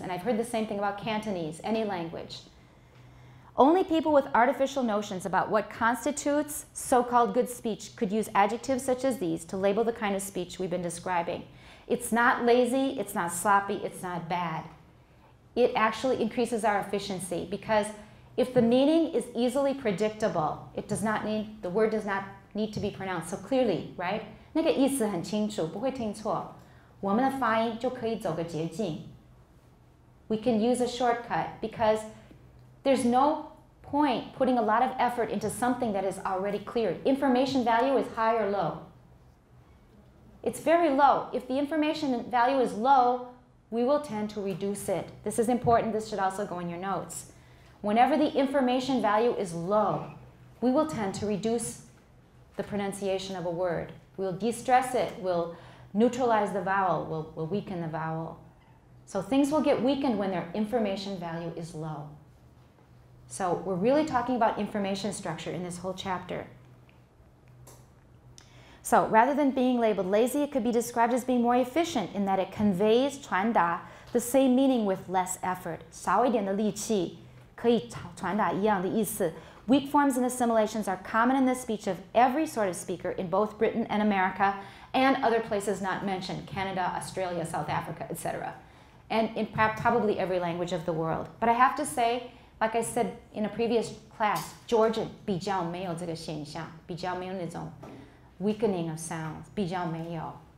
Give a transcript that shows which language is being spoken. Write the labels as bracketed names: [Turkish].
[English] And I've heard the same thing about Cantonese, any language. Only people with artificial notions about what constitutes so-called good speech could use adjectives such as these to label the kind of speech we've been describing. It's not lazy, it's not sloppy, it's not bad. It actually increases our efficiency because if the meaning is easily predictable, it does not need, the word does not need to be pronounced so clearly, right? [Chinese] 那个意思很清楚，不会听错。我们的发音就可以走个捷径。 [English] We can use a shortcut because there's no point putting a lot of effort into something that is already clear. Information value is high or low? It's very low. If the information value is low, we will tend to reduce it. This is important. This should also go in your notes. Whenever the information value is low, we will tend to reduce the pronunciation of a word. We'll de-stress it. We'll... neutralize the vowel, will weaken the vowel. So things will get weakened when their information value is low. So we're really talking about information structure in this whole chapter. So rather than being labeled lazy, it could be described as being more efficient in that it conveys [Chinese] 传达 [English] the same meaning with less effort. [Chinese] 少一点的力气可以传达一样的意思。 [English] Weak forms and assimilations are common in the speech of every sort of speaker in both Britain and America. And other places not mentioned, Canada, Australia, South Africa, etc. And in probably every language of the world. But I have to say, like I said in a previous class, Georgian, [Chinese] 比较没有这个现象，比较没有那种 [English] weakening of sounds, [Chinese] 比较没有。